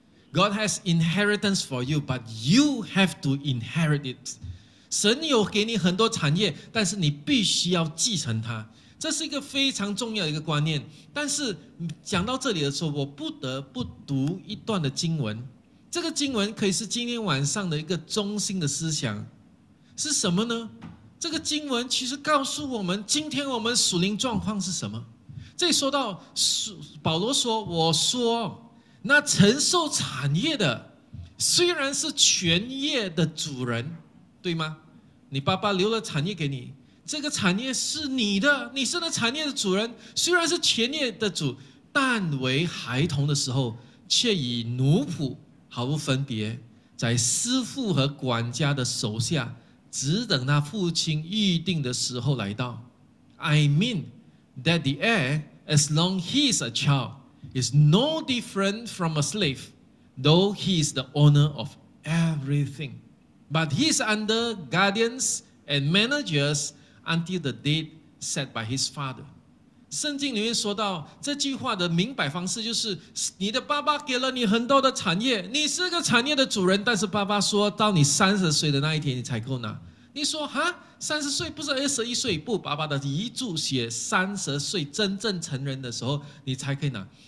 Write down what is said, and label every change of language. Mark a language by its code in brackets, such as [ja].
[en] God has inheritance for you, but you have to inherit it. [zh] 神有给你很多产业，但是你必须要继承它，这是一个非常重要的一个观念。但是讲到这里的时候，我不得不读一段的经文，这个经文可以是今天晚上的一个中心的思想。是什么呢？这个经文其实告诉我们今天我们属灵状况是什么。这里说到保罗说，我说那承受产业的虽然是全业的主人，对吗？你爸爸留了产业给你，这个产业是你的，你是那产业的主人，虽然是全业的主，但为孩童的时候却以奴仆毫无分别，在师父和管家的手下，只等他父亲预定的时候来到。 [en] I mean that the heir, as long he is a child, is no different from a slave, though he is the owner of everything. But he is under guardians and managers until the date set by his father. [zh] 圣经里面说到这句话的明白方式，就是你的爸爸给了你很多的产业，你是个产业的主人，但是爸爸说到你30岁的那一天你才够拿，你说哈，三十岁不是二十一岁？不，爸爸的遗嘱写三十岁真正成人的时候，你才可以拿。